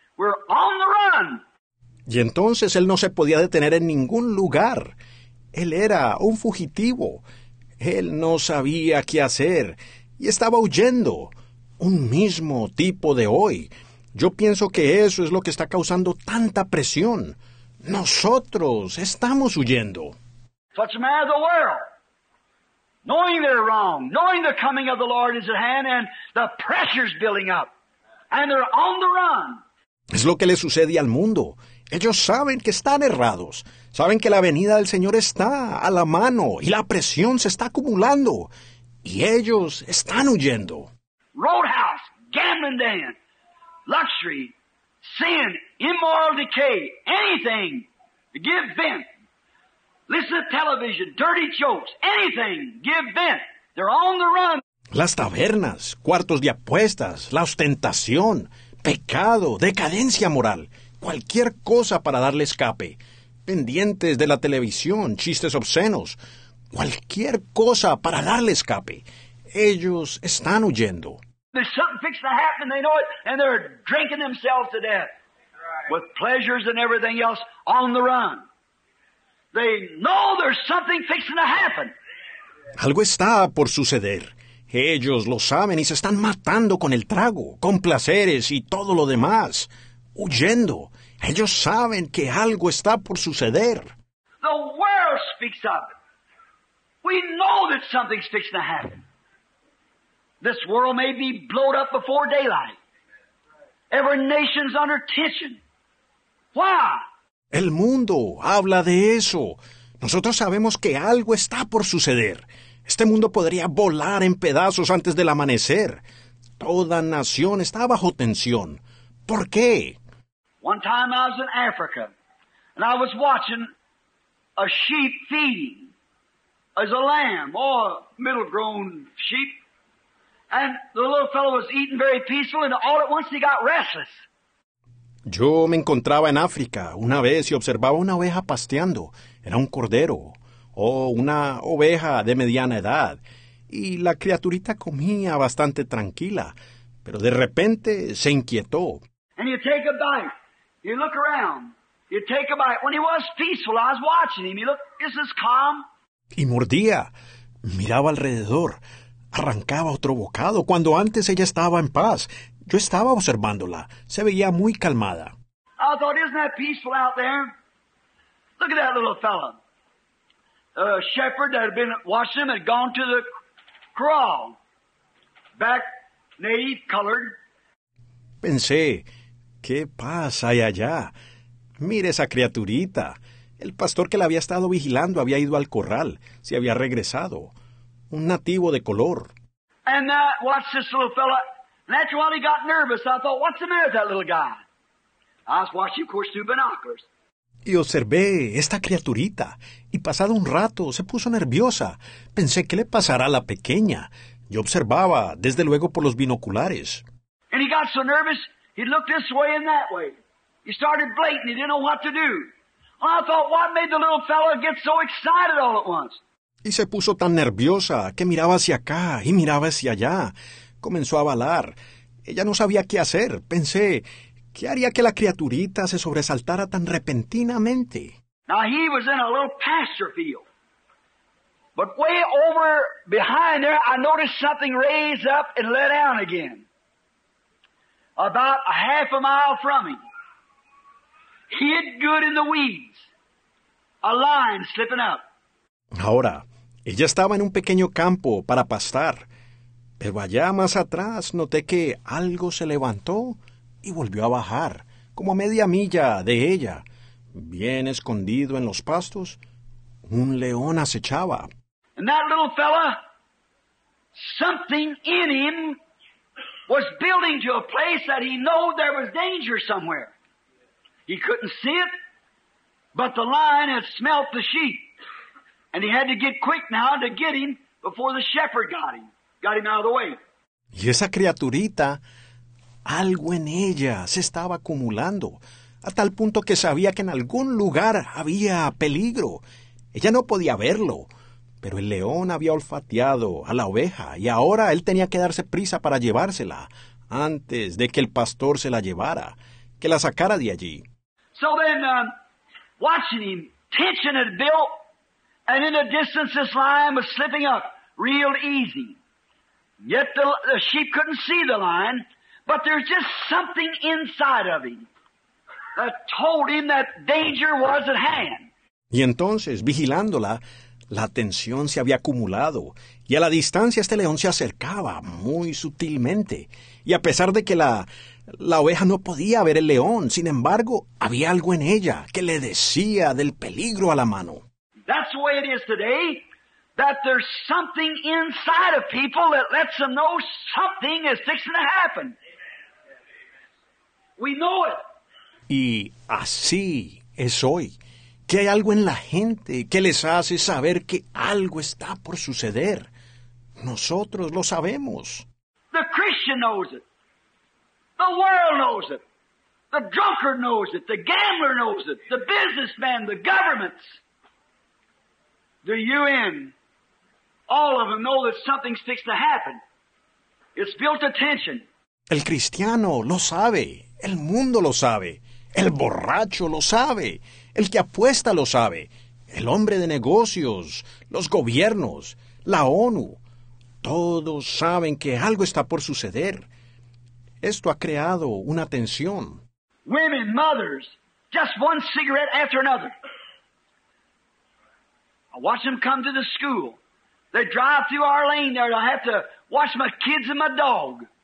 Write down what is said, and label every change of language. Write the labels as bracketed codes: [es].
[en] We're on the run. [es] Y entonces él no se podía detener en ningún lugar. Él era un fugitivo. Él no sabía qué hacer y estaba huyendo. Un mismo tipo de hoy. Yo pienso que eso es lo que está causando tanta presión. Nosotros estamos huyendo. [en] Such a man of the world, knowing they're wrong, knowing the coming of the Lord is at hand, and the pressure's building up, and they're on the run. [es] Es lo que le sucede al mundo. Ellos saben que están errados. Saben que la venida del Señor está a la mano y la presión se está acumulando. Y ellos están huyendo. [en] Roadhouse, gambling den, luxury, sin, immoral decay, anything. Give vent. Listen to television, dirty jokes, anything. Give vent. They're on the run. [es] Las tabernas, cuartos de apuestas, la ostentación, pecado, decadencia moral. Cualquier cosa para darle escape. Pendientes de la televisión, chistes obscenos. cualquier cosa para darle escape. Ellos están huyendo. [en] There's something fixed to happen, they know it, and they're drinking themselves to death. With pleasures and everything else on the run. They know there's something fixing to happen. [es] Algo está por suceder. Ellos lo saben y se están matando con el trago, con placeres y todo lo demás, huyendo. Ellos saben que algo está por suceder. [en] The world speaks of it. We know that something's fixing to happen. This world may be blown up before daylight. Every nation's under tension. Why? [es] El mundo habla de eso. Nosotros sabemos que algo está por suceder. Este mundo podría volar en pedazos antes del amanecer. Toda nación está bajo tensión. ¿Por qué? [en] One time I was in Africa, and I was watching a sheep feeding as a lamb, or a middle-grown sheep. And the little fellow was eating very peaceful, and all at once he got restless. [es] Yo me encontraba en África una vez y observaba una oveja pasteando. Era un cordero o una oveja de mediana edad. Y la criaturita comía bastante tranquila, pero de repente se inquietó. [en] And you take a bite. You look around. You take a bite. When he was peaceful, I was watching him. He looked, is this calm? [es] Y mordía. Miraba alrededor. Arrancaba otro bocado cuando antes ella estaba en paz. Yo estaba observándola. Se veía muy calmada. [en] I thought, isn't that peaceful out there? Look at that little fella. A shepherd that had been watching him had gone to the kraal. Back native colored. [es] Pensé, ¿qué paz hay allá? Mire esa criaturita. El pastor que la había estado vigilando había ido al corral. Se había regresado. Un nativo de color. [en] And that, watch this little fella. That's why he got nervous. I thought, what's the matter with that little guy? I was watching, of course, through binoculars. [es] Y observé esta criaturita. Y pasado un rato, se puso nerviosa. Pensé, ¿qué le pasará a la pequeña? Yo observaba, desde luego, por los binoculares. [en] And he got so nervous, he looked this way and that way. He started blatant. He didn't know what to do. Well, I thought, what made the little fella get so excited all at once? [es] Y se puso tan nerviosa que miraba hacia acá y miraba hacia allá. Comenzó a balar. Ella no sabía qué hacer. Pensé, ¿qué haría que la criaturita se sobresaltara tan repentinamente? [en] Now he was in a little pasture field. But way over behind there, I noticed something raise up and let down again. About a half a mile from him. Hid good in the weeds. A line slipping up. [es] Ahora, ella estaba en un pequeño campo para pastar, pero allá más atrás noté que algo se levantó y volvió a bajar, como a media milla de ella. Bien escondido en los pastos, un león acechaba. [en] And that little fella, something in him was building to a place that he knew there was danger somewhere. He couldn't see it, but the lion had smelt the sheep. And he had to get quick now to get him before the shepherd got him out of the way. [es] Y esa criaturita, algo en ella se estaba acumulando, a tal punto que sabía que en algún lugar había peligro. Ella no podía verlo, pero el león había olfateado a la oveja, y ahora él tenía que darse prisa para llevársela, antes de que el pastor se la llevara, que la sacara de allí. [en] So then, watching him, tension had built. And in the distance, this lion was slipping up real easy. Yet the sheep couldn't see the lion, but there's just something inside of him that told him that danger was at hand. [es] Y entonces, vigilándola, la tensión se había acumulado, y a la distancia este león se acercaba muy sutilmente. Y a pesar de que la oveja no podía ver el león, sin embargo, había algo en ella que le decía del peligro a la mano. [en] That's the way it is today, that there's something inside of people that lets them know something is fixing to happen. We know it. [es] Y así es hoy, que hay algo en la gente que les hace saber que algo está por suceder. Nosotros lo sabemos. [en] The Christian knows it. The world knows it. The drunkard knows it. The gambler knows it. The businessman, the governments. The UN, All of them know that something's fixed to happen. It's built attention. [es] El cristiano lo sabe. El mundo lo sabe. El borracho lo sabe. El que apuesta lo sabe. El hombre de negocios, los gobiernos, la ONU. Todos saben que algo está por suceder. Esto ha creado una tensión. [en] Women, mothers, just one cigarette after another. I watch them come to the school. They drive through our lane there. I have to watch my kids and my dog.